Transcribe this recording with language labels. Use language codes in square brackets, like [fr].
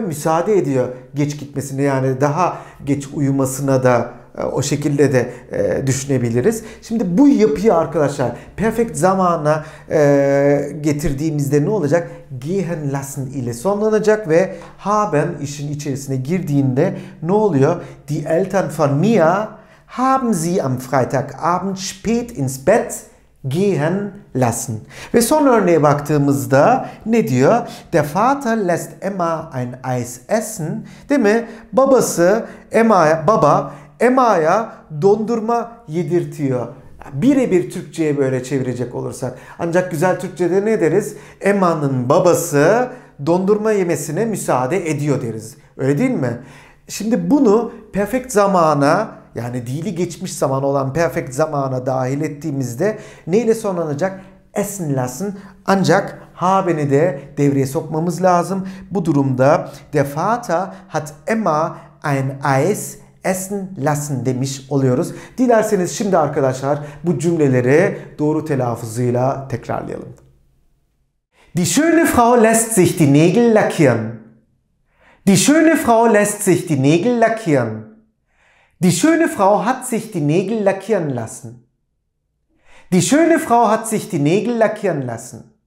[tr] Müsaade ediyor geç gitmesini, yani daha geç uyumasına da o şekilde de düşünebiliriz. Şimdi bu yapıyı arkadaşlar perfect zamana getirdiğimizde ne olacak? Gehen lassen ile sonlanacak ve haben işin içerisine girdiğinde ne oluyor? [de] Die Eltern von Mia haben sie am Freitagabend spät ins Bett gehen lassen. [tr] Ve son örneğe baktığımızda ne diyor? [de] Der Vater lässt Emma ein Eis essen. [tr] Değil mi? Babası Emma'ya, baba Emma'ya dondurma yedirtiyor. Birebir Türkçe'ye böyle çevirecek olursak. Ancak güzel Türkçe'de ne deriz? Emma'nın babası dondurma yemesine müsaade ediyor deriz. Öyle değil mi? Şimdi bunu perfekt zamana, yani dili geçmiş zaman olan perfekt zamana dahil ettiğimizde neyle sonlanacak? [de] Essen lassen. [tr] Ancak haben'i de devreye sokmamız lazım. Bu durumda [de] der Vater hat Emma ein Eis essen lassen [tr] demiş oluyoruz. Dilerseniz şimdi arkadaşlar bu cümleleri doğru telaffuzuyla tekrarlayalım. [de] Die schöne Frau lässt sich die Nägel lackieren. Die schöne Frau lässt sich die Nägel lackieren. Die schöne Frau hat sich die Nägel lackieren lassen. Die schöne Frau hat sich die Nägel lackieren lassen.